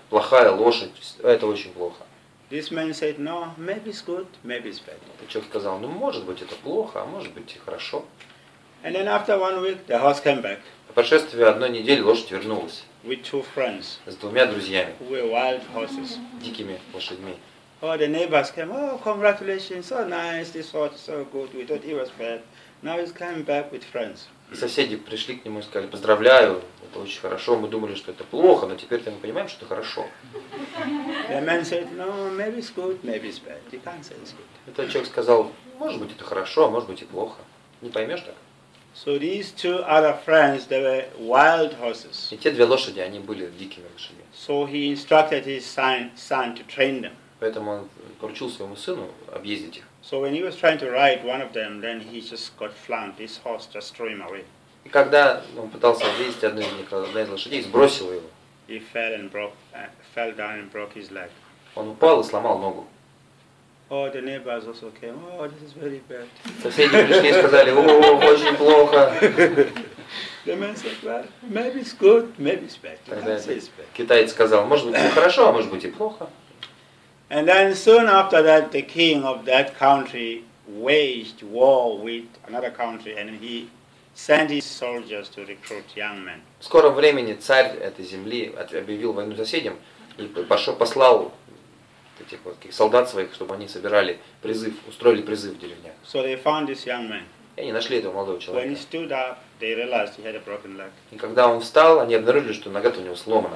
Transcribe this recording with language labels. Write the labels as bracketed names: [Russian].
[Russian] Плохая лошадь. Это очень плохо. [English] This man said, no, maybe it's good, maybe it's bad. [Russian] Человек сказал, ну может быть это плохо, а может быть и хорошо. [English] And then after one week, the horse came back. [Russian] По прошествии одной недели лошадь вернулась. [English] With two friends. [Russian] С двумя друзьями. [English] Who were wild horses. [Russian] Дикими лошадьми. [English] Oh, the neighbors came, oh, congratulations, so nice, this horse is so good, we thought he was bad. Now he's coming back with friends. [Russian] И соседи пришли к нему и сказали, поздравляю, это очень хорошо, мы думали, что это плохо, но теперь-то мы понимаем, что это хорошо. [English] The man said, no, maybe it's good, maybe it's bad. You can't say it's good. [Russian] Этот человек сказал, может быть это хорошо, а может быть и плохо. Не поймешь так. [English] So these two other friends, they were wild horses. [Russian] И те две лошади, они были дикими лошадьми. [English] So he instructed his son to train them. [Russian] Поэтому он поручил своему сыну объездить их. [English] So when he was trying to ride one of them, then he just got flung. This horse just threw him away. [Russian] И когда он пытался объездить одну из лошадей, сбросил его. [English] He fell down and broke his leg. [Russian] Он упал и сломал ногу. [English] Oh, the neighbors also came. Oh, this is very bad. [Russian] Соседи пришли и сказали, о, очень плохо. [English] The man said, well, maybe it's good, maybe it's bad. You can't say it's bad. [Russian] Китаец сказал, может быть, хорошо, а может быть, и плохо. [English] And then soon after that, the king of that country waged war with another country, and he sent his soldiers to recruit young men. [Russian] В скором времени царь этой земли объявил войну соседям и послал этих вот солдат своих, чтобы они собирали призыв, устроили призыв в деревнях. [English] So they found this young man. [Russian] И они нашли этого молодого человека. [English] When he stood up, they realized he had a broken leg. [Russian] И когда он встал, они обнаружили, что нога у него сломана.